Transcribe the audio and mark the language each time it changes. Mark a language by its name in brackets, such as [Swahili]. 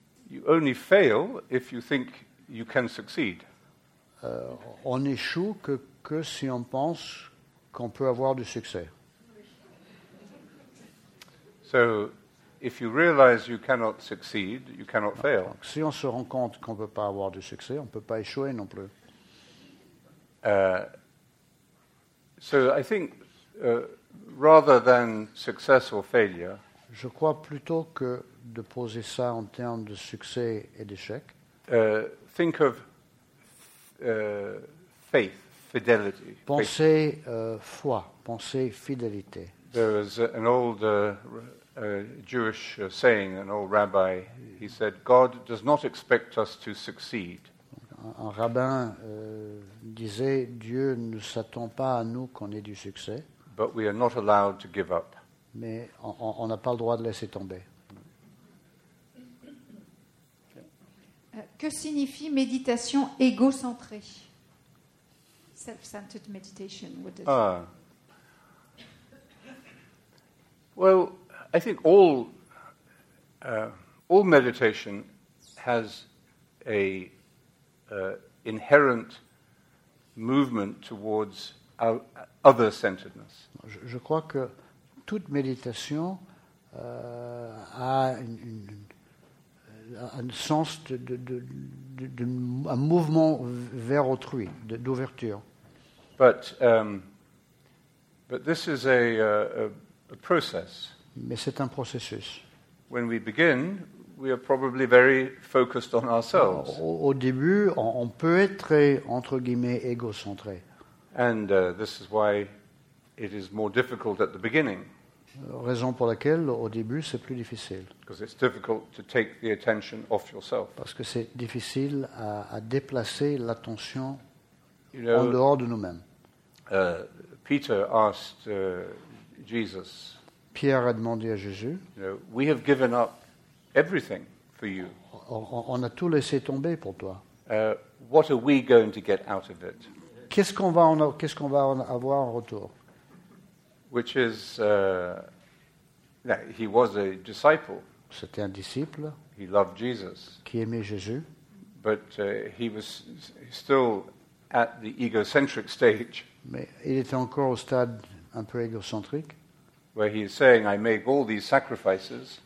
[English] You only fail if you think you can succeed. [French] On échoue que si on pense qu'on peut avoir du succès. [English] So, if you realize you cannot succeed, you cannot fail. [French] Donc, si on se rend compte qu'on ne peut pas avoir du succès, on ne peut pas échouer non plus. [English] So, I think rather than success or failure. [French] Je crois plutôt que de poser ça en termes de succès et d'échec. [English] Think of faith. Fidelity. [French] Pensez foi, pensez fidélité. [English] There was an old Jewish saying, an old rabbi. He said, "God does not expect us to succeed." [French] Un rabbin disait, Dieu ne s'attend pas à nous qu'on ait du succès. [English] But we are not allowed to give up. [French] Mais on n'a pas le droit de laisser tomber. Que signifie méditation égocentrée? [English] Self-centered meditation. Well, I think all meditation has a inherent movement towards other-centeredness. [French] Je crois que toute méditation a un sens de un mouvement vers autrui, d'ouverture. [English] But this is a process. [French] Mais c'est un processus. [English] When we begin, we are probably very focused on ourselves. [French] Au début, on peut être entre guillemets égocentré. [English] And this is why it is more difficult at the beginning. [French] Raison pour laquelle au début c'est plus difficile. [English] Because it's difficult to take the attention off yourself. [French] Parce que c'est difficile à déplacer l'attention. [English] You know, [French] en dehors de nous-mêmes. [English] Peter asked Jesus. [French] Pierre a demandé à Jésus. [English] You know, we have given up everything for you. [French] On a tout laissé tomber pour toi. [English] What are we going to get out of it? [French] Qu'est-ce qu'on va avoir en retour? [English] Which is he was a disciple. [French] C'était un disciple. [English] He loved Jesus. [French] Qui aimait Jésus. [English] But he was still at the egocentric stage. [French] Mais il était encore au stade un peu égocentrique. [English] Where he is saying, "I make all these sacrifices."